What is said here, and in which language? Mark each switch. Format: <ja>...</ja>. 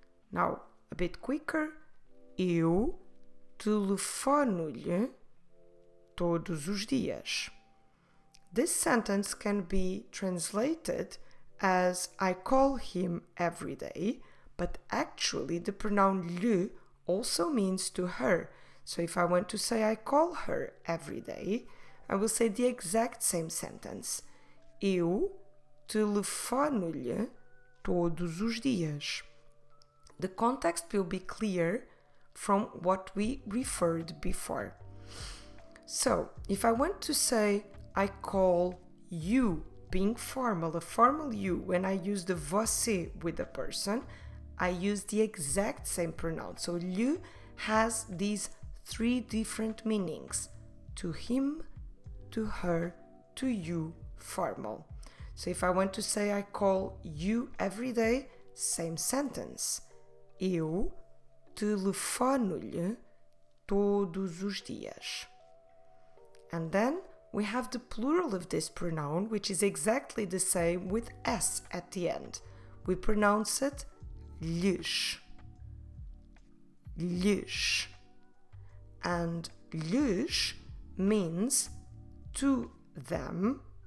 <en>Now, a bit quicker.</en> <pt>Eu telefono-lhe todos os dias.</pt> <en>This sentence can be translated as I call him every day, but actually the pronoun lhe also means to her. So if I want to say I call her every day, I will say the exact same sentence.</en> <pt>Eu telefono-lhe todos os dias.</pt> <en>The context will be clear from what we referred before. So if I want to say I call you, being formal, a formal you, when I use the você with a person, I use the exact same pronoun. So lhe has these three different meanings: to him, to her, to you, formal. So if I want to say I call you every day, same sentence.</en> <pt>Eu telefono-lhe todos os dias.</pt> <en>And then we have the plural of this pronoun, which is exactly the same with S at the end. We pronounce it lhes. Lhes. And lhes means to them.</en>